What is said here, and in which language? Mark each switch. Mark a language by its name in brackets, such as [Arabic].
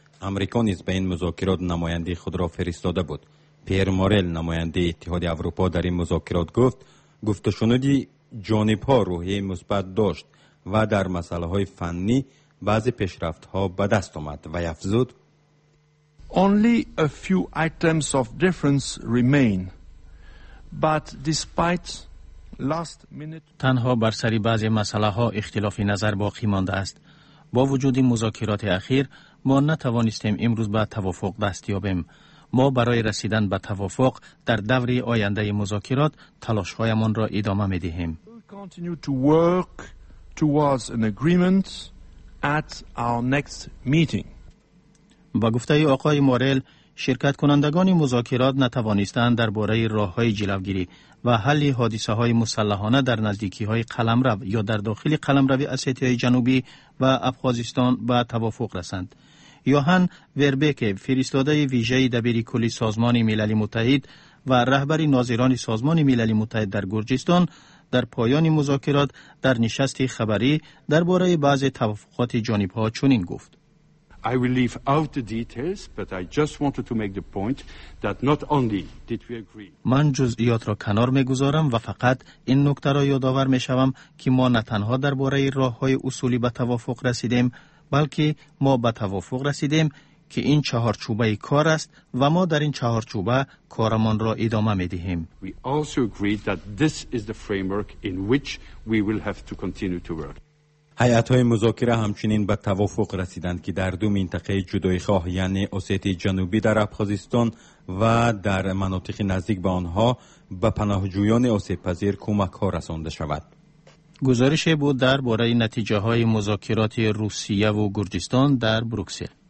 [Persian] آمریکا نیز به این مذاکرات نماینده خود را فرستاده بود. پیر مورل نماینده اتحادیه اروپا در این مذاکرات گفت گفت‌وشنودی جانب‌ها روحیه مثبت داشت و در مسئله های فنی بعضی پیشرفت ها به دست آمد و افزود [English] Only a few items of difference remain, but despite last minute [Persian] تنها بر سری بعضی مسئله ها اختلاف نظر باقی مانده است. با وجود مذاکرات اخیر ما نتوانستیم امروز به توافق دست یابیم. ما برای رسیدن به توافق در دوری آینده مذاکرات تلاش هایمان را ادامه می دهیم. [English] Continue to work towards an agreement at our next meeting. [Persian] با گفته آقای مورل شرکت کنندگان مذاکرات نتوانستند درباره راه های جلوگیری و حل حادثه های مسلحانه در نزدیکی های قلمرو یا در داخل قلمرو اسیتیا جنوبی و افغانستان به توافق رسند. یوهان وربک فرستاده ویژه دبیر کلی سازمان ملل متحد و رهبر ناظران سازمان ملل متحد در گرجستان در پایان مذاکرات در نشست خبری درباره بعضی توافقات جانب ها چنین گفت [English] I will leave out the details but I just wanted to make the point that not only did we agree [Persian] من جزئیات را کنار میگذارم و فقط این نکته را یادآور میشوم که ما نه تنها درباره راه های اصولی به توافق رسیدیم بلکه ما به توافق رسیدیم که این چهارچوبه کار است و ما در این چهارچوبه کارمان را ادامه می دهیم. [English] We also agreed that this is the framework in which we will have to continue to work. [Persian] هیئت‌های مذاکره همچنین به توافق رسیدند که در دو منطقه جدایی‌خواه یعنی اوسیتی جنوبی در ابخازستان و در مناطق نزدیک به آنها به پناهجویان آسیب‌پذیر کمک‌ها رسانده شود. گزارش بود در باره نتیجه‌های مذاکرات روسیه و گرجستان در بروکسل.